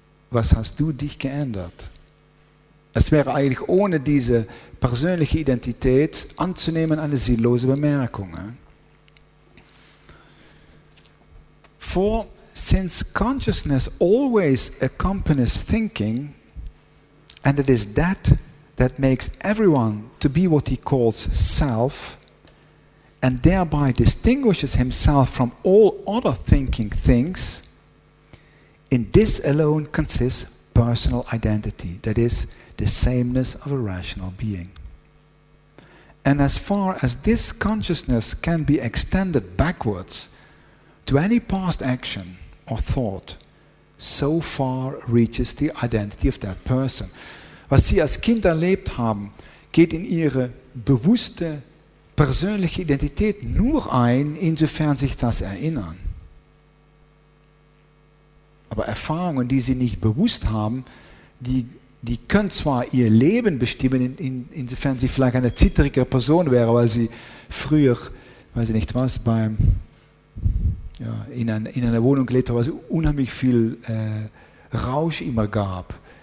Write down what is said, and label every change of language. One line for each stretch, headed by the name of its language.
German: Was hast du dich geändert? Es wäre eigentlich ohne diese persönliche Identität anzunehmen eine sinnlose Bemerkung. For
English: Since consciousness always accompanies thinking, and it is that that makes everyone to be what he calls self, and thereby distinguishes himself from all other thinking things, in this alone consists personal identity, that is, the sameness of a rational being. And as far as this consciousness can be extended backwards to any past action or thought, so far reaches the identity of that person.
German: Was Sie als Kind erlebt haben, geht in Ihre bewusste persönliche Identität nur ein, insofern sich das erinnern. Aber Erfahrungen, die Sie nicht bewusst haben, die können zwar Ihr Leben bestimmen, insofern Sie vielleicht eine zittrige Person wäre, weil Sie früher, weiß ich nicht was, in einer Wohnung gelebt haben, wo es unheimlich viel Rausch immer gab.